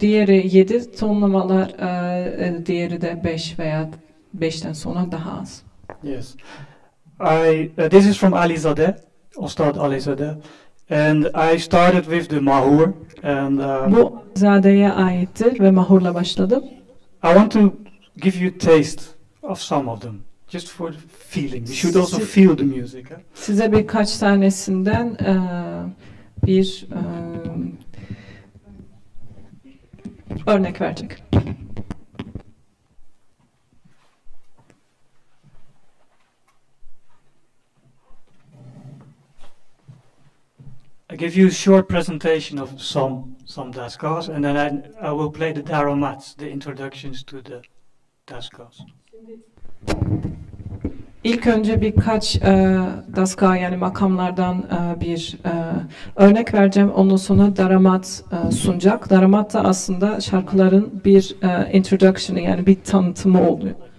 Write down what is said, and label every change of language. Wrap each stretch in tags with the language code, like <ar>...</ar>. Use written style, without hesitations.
<tr>Diğeri 7 tonlamalar, diğeri de 5 veya 5'ten sonra daha az.</tr> <en>Yes. This is from Alizadeh, Ostad Alizadeh, and I started with the Mahur. And</en> <tr>bu Zade'ye aittir ve Mahur'la başladım.</tr> <en>I want to give you taste of some of them, just for feeling. You should also feel the music.</en> <tr>Size birkaç tanesinden bir örnek verecek.</tr> <en>I give you a short presentation of some daskas, and then I will play the daromats, the introductions to the daskas.</en> <tr>İlk önce birkaç daska, yani makamlardan bir örnek vereceğim. Ondan sonra daromat sunacak. Daromat da aslında şarkıların bir introduction'ı, yani bir tanıtımı oluyor.</tr>